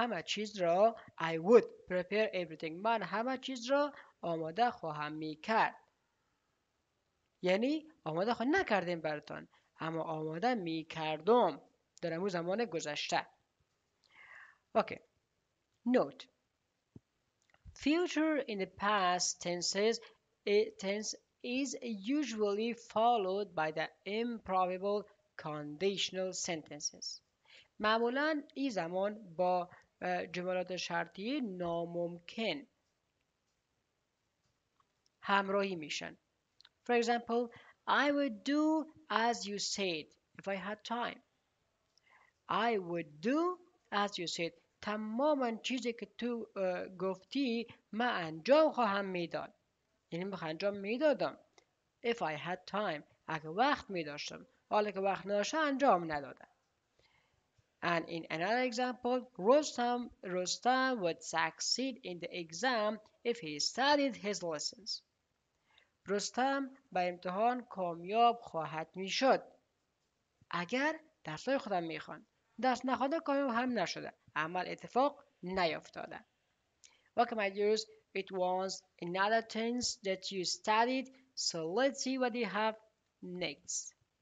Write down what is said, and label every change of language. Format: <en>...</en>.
<en>I would prepare everything.</en> <fa>من همه چیز را آماده خواهم می کرد. یعنی آماده خواهم نکردیم براتون. اما آماده می کردم در امو زمان گذشته.</fa> <en>Okay. Note. Future in the past tenses, tense is usually followed by the improbable conditional sentences.</en> <fa>معمولا این زمان با جملات شرطی ناممکن همراهی میشن.</fa> <en>For example, I would do as you said if I had time. I would do as you said.</en> <fa>تماما چیزی که تو گفتی من انجام خواهم میداد. یعنی من انجام میدادم.</fa> <en>If I had time.</en> <fa>اگه وقت میداشتم. حالا که وقت نداشتم انجام ندادم.</fa> <en>And in another example, Rustam would succeed in the exam if he studied his lessons.</en> <fa>Rustam به امتحان کامیاب خواهد می شد. اگر درسای خودم می خواند. درس نخوانده کامیاب هم نشده. عمل اتفاق نیافتاده.</fa> <en>Welcome, my dears. It was another tense that you studied. So let's see what you have next.</en>